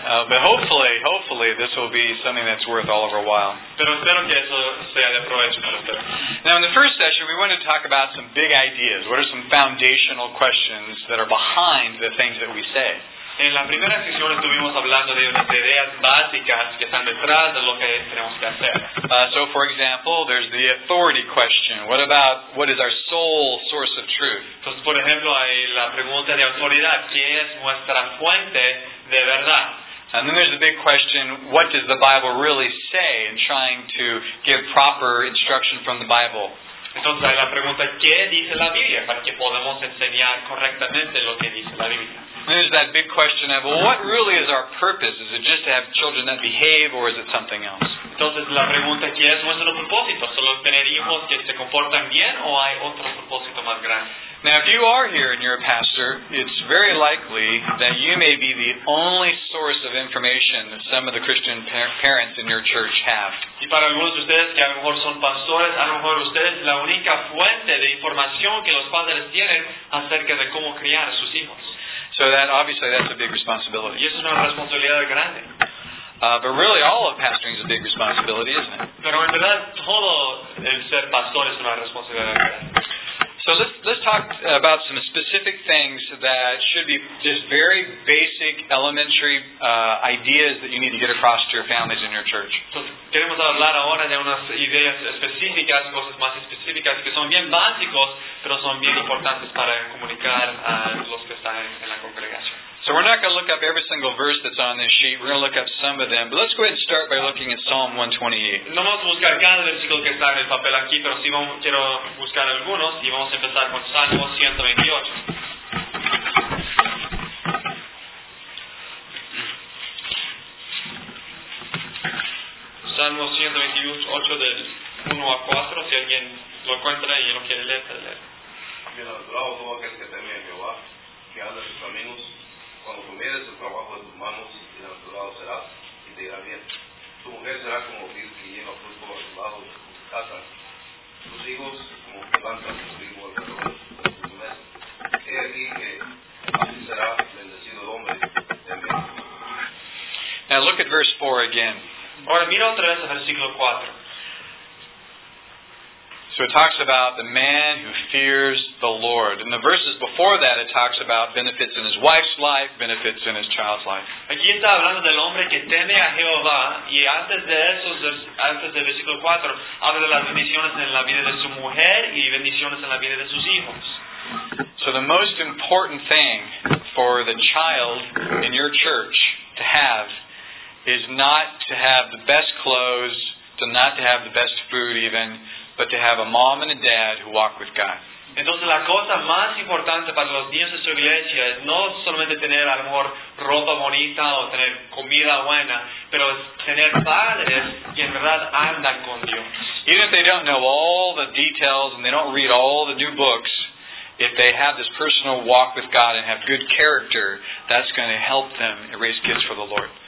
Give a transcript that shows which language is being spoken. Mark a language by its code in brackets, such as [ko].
[en] But hopefully this will be something that's worth all of our while. Now in the first session we want to talk about some big ideas. What are some foundational questions that are behind the things that we say? [es] En la primera sesión estuvimos hablando de unas ideas básicas que están detrás de lo que tenemos que hacer. [en] So, for example, there's the authority question. What about, what is our sole source of truth? [es] Entonces, por ejemplo, hay la pregunta de autoridad. ¿Qué es nuestra fuente de verdad? [en] And then there's the big question, what does the Bible really say in trying to give proper instruction from the Bible? [es] Entonces, hay la pregunta, ¿qué dice la Biblia? Para que podamos enseñar correctamente lo que dice la Biblia. [en] There's that big question of, well, what really is our purpose? Is it just to have children that behave, or is it something else? [es] Entonces, la pregunta aquí es, ¿cuál es el propósito? ¿Solo tener hijos que se comportan bien, o hay otro propósito más grande? [en] Now, if you are here and you're a pastor, it's very likely that you may be the only source of information that some of the Christian parents in your church have. [es] Y para algunos de ustedes que a lo mejor son pastores, a lo mejor ustedes la única fuente de información que los padres tienen acerca de cómo criar a sus hijos. [en] So that obviously that's a big responsibility. [es] Y es una responsabilidad grande. [en] But really, all of pastoring is a big responsibility, isn't it? [es] Pero en verdad todo el ser pastor es una responsabilidad grande. [en] So let's talk about some specific things that should be just very basic, elementary ideas that you need to get across to your families and your church. [es] Entonces, queremos hablar ahora de unas ideas específicas, cosas más específicas que son bien básicos, pero son bien importantes para comunicar a los que están en la congregación. [en] So we're not going to look up every single verse that's on this sheet. We're going to look up some of them. But let's go ahead and start by looking at Psalm 128. [es] No vamos a buscar cada versículo que está en el papel aquí, pero sí vamos, quiero buscar algunos y vamos a empezar con Salmo 128. Salmo 128 del 1 a 4. Si alguien lo encuentra y no quiere leer, puede leer. Bienaventurados todos aquellos que temen a Jehová, que anda en sus caminos. Cuando comieres el trabajo de tus manos, bienaventurado serás y te irá bien. Tu mujer será como vid que lleva fruto a tu lado de tu casa. Tus hijos como plantas de trigo alrededor de tu mesa. He aquí que así será bendecido el hombre. Amén. [en] Now look at verse 4 again. [es] Ahora mira otra vez el versículo 4. [en] So it talks about the man who fears the Lord. In the verses before that, it talks about benefits in his wife's life, benefits in his child's life. [es] Aquí está hablando del hombre que teme a Jehová, y antes de eso, antes del versículo 4, habla de las bendiciones en la vida de su mujer y bendiciones en la vida de sus hijos. [en] So the most important thing for the child in your church to have is not to have the best clothes, to not to have the best food even, but to have a mom and a dad who walk with God. [es] Entonces la cosa más importante para los niños de su iglesia es no solamente tener a lo mejor ropa bonita o tener comida buena, pero es tener padres que en verdad andan con Dios. [en] Even if they don't know all the details and they don't read all the new books, if they have this personal walk with God and have good character, that's going to help them raise kids for the Lord.